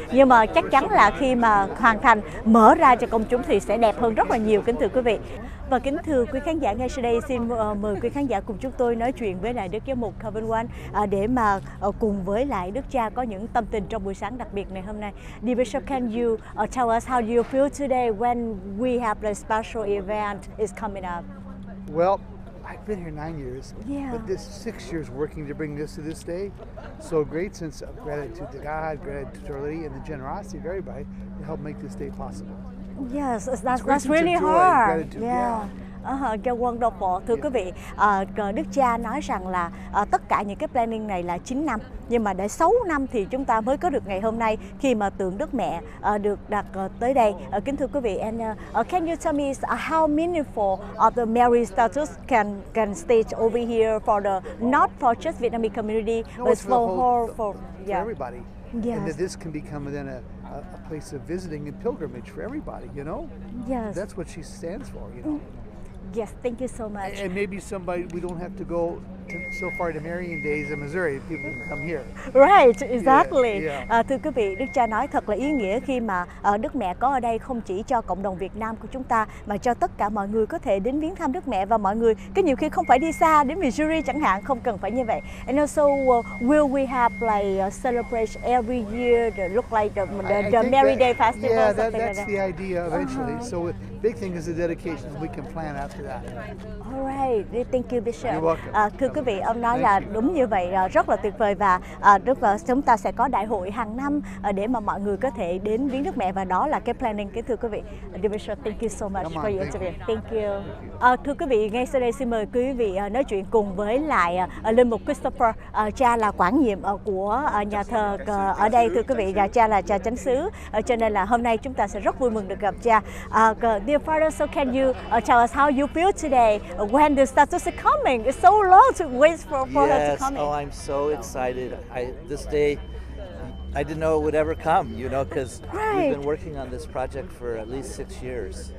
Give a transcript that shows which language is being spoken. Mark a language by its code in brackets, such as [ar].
[vi] Nhưng mà chắc chắn là khi mà hoàn thành mở ra cho công chúng thì sẽ đẹp hơn rất là nhiều, kính thưa quý vị. Và kính thưa quý khán giả, ngay sau đây xin mời quý khán giả cùng chúng tôi nói chuyện với lại Đức Giám mục Kevin Wan để mà cùng với lại Đức Cha có những tâm tình trong buổi sáng đặc biệt ngày hôm nay. [en] Dear Bishop, can you tell us how you feel today when we have the special event is coming up? Well, I've been here 9 years, yeah. But this 6 years working to bring this to this day, so great sense of gratitude to God, gratitude to Our Lady, and the generosity of everybody to help make this day possible. Yes, that's really hard. Yeah. How wonderful. [vi] Thưa quý vị, Đức Cha nói rằng là tất cả những cái planning này là 9 năm. Nhưng mà đã 6 năm thì chúng ta mới có được ngày hôm nay khi mà tượng Đức Mẹ được đặt tới đây. Kính thưa quý vị, [en] and, can you tell me how meaningful of the Mary status can stay over here for the not for just Vietnamese community, but for whole, for everybody. Yes. And that this can become then a place of visiting and pilgrimage for everybody, you know? Yes. That's what she stands for, you know? Yes, thank you so much. And maybe somebody, we don't have to go so far to Marian Days in Missouri, people can come here. Right, exactly. Yeah, yeah. [vi] Thưa quý vị, Đức Cha nói thật là ý nghĩa khi mà Đức Mẹ có ở đây không chỉ cho cộng đồng Việt Nam của chúng ta, mà cho tất cả mọi người có thể đến viếng thăm Đức Mẹ, và mọi người cái nhiều khi không phải đi xa, đến Missouri chẳng hạn, không cần phải như vậy. [en] And also, will we have like a celebration every year that look like the Mary Day Festival? Yeah, something that's like that. The idea eventually. Uh-huh. So the big thing is the dedication we can plan after that. All right, thank you, Bishop. You're welcome. [vi] Thưa quý vị, ông nói là đúng như vậy, rất là tuyệt vời, và rất là chúng ta sẽ có đại hội hàng năm để mà mọi người có thể đến viếng Đức Mẹ, và đó là cái planning, cái thưa quý vị. [en] Bishop, thank you so much for your interview. Thank you. [vi] Thưa quý vị, ngay sau đây xin mời quý vị nói chuyện cùng với lại Linh Mục Christopher, cha là quản nhiệm của nhà thờ ở đây, thưa quý vị, và cha là cha chánh xứ, cho nên là hôm nay chúng ta sẽ rất vui mừng được gặp cha. [en] Dear Father, so can you tell us how you feel today when the status is coming? It's so long to wait for yes. her to come. Oh, I'm so excited. This day, I didn't know it would ever come, you know, because right. we've been working on this project for at least 6 years.